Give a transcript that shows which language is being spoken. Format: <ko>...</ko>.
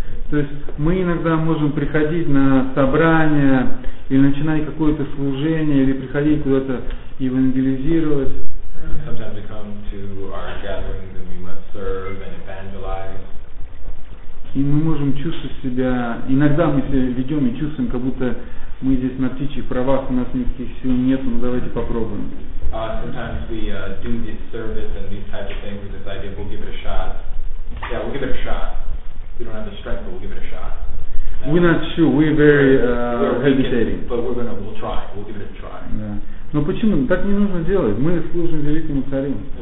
<ru>То есть мы иногда можем приходить на собрание или начинать какое-то служение или приходить куда-то евангелизировать.</ru> <en>Sometimes we come to our gatherings and we must serve and evangelize.</en> <ru>И мы можем чувствовать себя, иногда мы себя ведем и чувствуем, как будто мы здесь на птичьих правах, у нас никаких сил нет, но давайте попробуем.</ru> <en>Sometimes we do this service and these types of things with this idea, we'll give it a shot. Yeah, we'll give it a shot. We don't have the strength, but we'll give it a shot. And we're not sure, we're very hesitating. But we'll try, we'll give it a try.</en> <ru>Yeah. Но почему? Так не нужно делать. Мы служим великому царю.</ru>